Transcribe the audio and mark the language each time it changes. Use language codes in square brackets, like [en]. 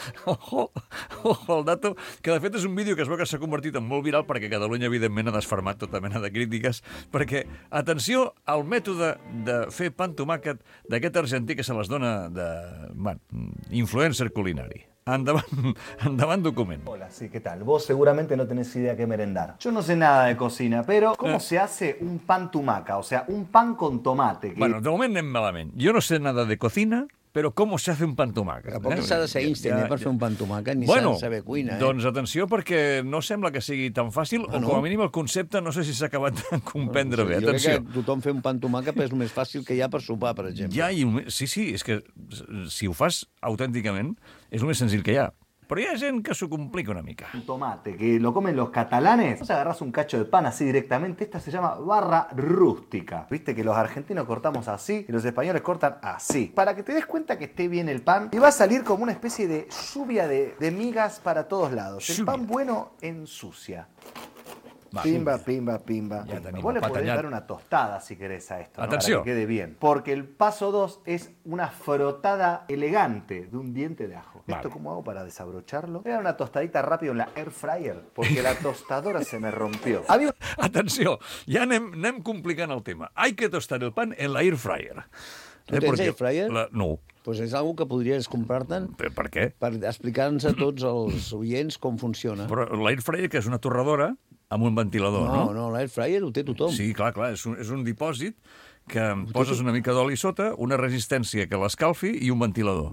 [es] Ojo, el dato, [ca] que de fet és un vídeo que es veu que s'ha convertit en molt viral perquè Catalunya, evidentment, ha desfermat tota mena de crítiques, perquè, atenció al mètode de fer pan tomàquet d'aquest argentí que se les dona de, influencer culinari. Endavant document. [es] Hola, sí, ¿qué tal? Vos seguramente no tenés idea qué merendar. Yo no sé nada de cocina, pero ¿cómo se hace un pan tumaca? O sea, un pan con tomate. [ca] Bueno, de moment anem malament. Jo [es] no sé nada de cocina, [ca] però com se fa un pan tomàquet? Tampoc no s'ha de ser Einstein per fer un pan tomàquet, ni bueno, saber cuina. Doncs atenció, perquè no sembla que sigui tan fàcil, o com a mínim el concepte no sé si s'ha acabat de comprendre bé. Atenció. Jo crec que tothom fer un pan tomàquet és el més fàcil que hi ha per sopar, per exemple. Ja, i, sí, sí, és que si ho fas autènticament és el més senzill que hi ha. Però hi ha gent que s'ho complica una mica. [es] Un tomate, que lo comen los catalanes. Vos agarrás un cacho de pan así directamente, esta se llama barra rústica. Viste que los argentinos cortamos así y los españoles cortan así. Para que te des cuenta que esté bien el pan, te va a salir como una especie de lluvia de migas para todos lados. El pan bueno ensucia. Pimba, pimba, pimba. Vos le podés dar una tostada, si querés, a esto, ¿no? Atención. Para que quede bien. Porque el paso dos es una frotada elegante de un diente de ajo. Vale. ¿Esto cómo hago para desabrocharlo? Era una tostadita rápida en la air fryer, porque la tostadora se me rompió. [ca] Atención, ya anem complicant el tema. [es] Hay que tostar el pan en la air fryer. [ca] ¿Tú tens air fryer? No. Pues és algo que podries comprar-te'n. Per què? Per explicar-nos a tots els oients com funciona. Però l'air fryer, que és una torradora... amb un ventilador, no? No, l'air fryer ho té tothom. Sí, clar, clar, és un dipòsit que poses una mica d'oli sota, una resistència que l'escalfi i un ventilador.